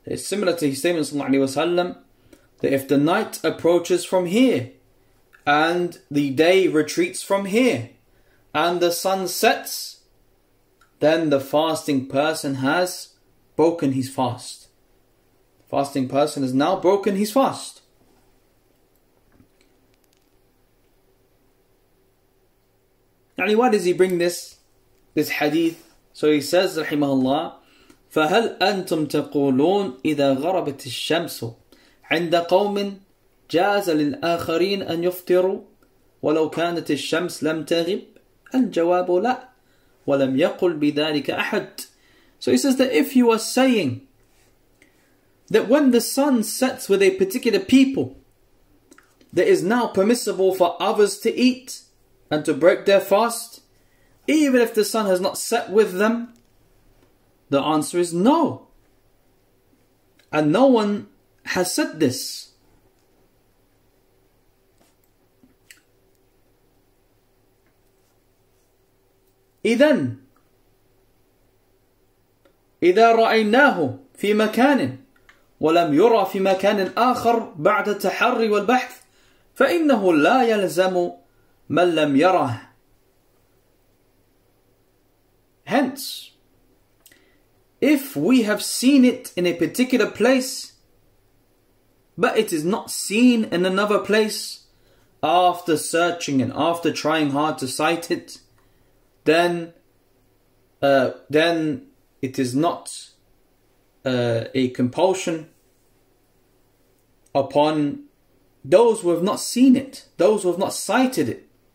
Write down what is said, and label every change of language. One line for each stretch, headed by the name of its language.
English: It's similar to his statement sallallahu alayhi wa sallam, that if the night approaches from here, and the day retreats from here, and the sun sets, then the fasting person has broken his fast. The fasting person has now broken his fast. Yani, why does he bring this hadith? So he says, rahimahullah,
Arabic: فَهَلْ أَنْتُمْ تَقُولُونَ إِذَا غَرَبَتِ الشَّمْسُ عِنْدَ قَوْمٍ جَازَ لِلْآخَرِينَ أَنْ يُفْتِرُوا وَلَوْ كَانَتِ الشَّمْسِ لَمْ تَغِبْ. الجواب لا ولم يقل بذلك أحد.
English: So he says that if you are saying that when the sun sets with a particular people, that is now permissible for others to eat and to break their fast, even if the sun has not set with them, the answer is no. And no one has said this.
Arabic: إذن إذا رأيناه في مكان ولم يرى في مكان آخر بعد التحري والبحث فإنه لا يلزم من لم يره.
English: Hence, if we have seen it in a particular place, but it is not seen in another place, after searching and after trying hard to sight it, then it is not a compulsion upon those who have not seen it, those who have not sighted it.